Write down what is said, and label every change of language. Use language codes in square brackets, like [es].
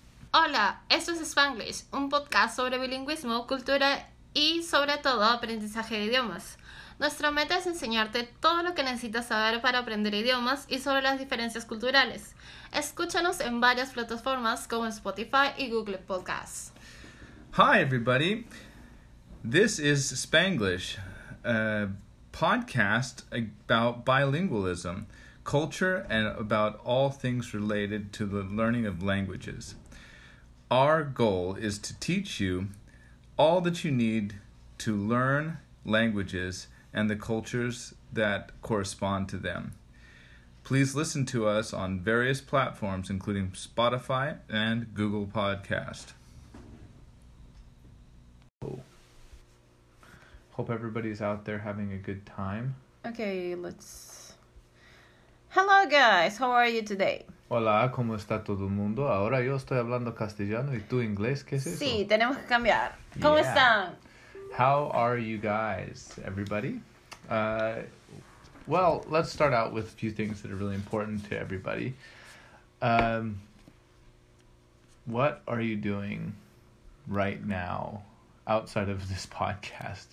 [es] Hola, esto es Spanglish, un podcast sobre bilingüismo, cultura y, sobre todo, aprendizaje de idiomas. Nuestra meta es enseñarte todo lo que necesitas saber para aprender idiomas y sobre las diferencias culturales. Escúchanos en varias plataformas como Spotify y Google Podcasts. [en] Hi, everybody. This is Spanglish, a podcast about bilingualism, culture, and about all things related to the learning of languages. Our goal is to teach you all that you need to learn languages and the cultures that correspond to them. Please listen to us on various platforms, including Spotify and Google Podcast. Hope everybody's out there having a good time. Okay, let's... Hello, guys. How are you today? [es] Hola, ¿cómo está todo el mundo? Ahora yo estoy hablando castellano y tú inglés. ¿Qué es eso? Sí, tenemos que cambiar. ¿Cómo yeah. están? [en] How are you guys, everybody? Well, let's start out with a few things that are really important to everybody. What are you doing right now outside of this podcast?